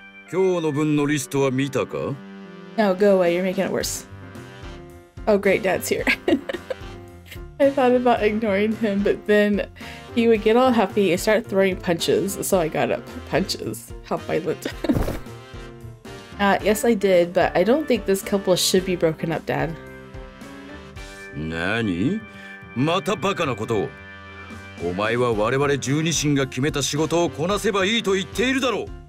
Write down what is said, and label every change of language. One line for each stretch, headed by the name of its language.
Japanese: 今日の分のリストは見たか?
English: No, go away. You're making it worse. Oh, great, Dad's here. I thought about ignoring him, but then he would get all happy and start throwing punches. So I got up. Punches. How violent. yes, I did, but I don't think this couple should be broken up, Dad.
Japanese: 何?またバカなこと。お前は我々12神が決めた仕事をこなせばいいと言っているだろう。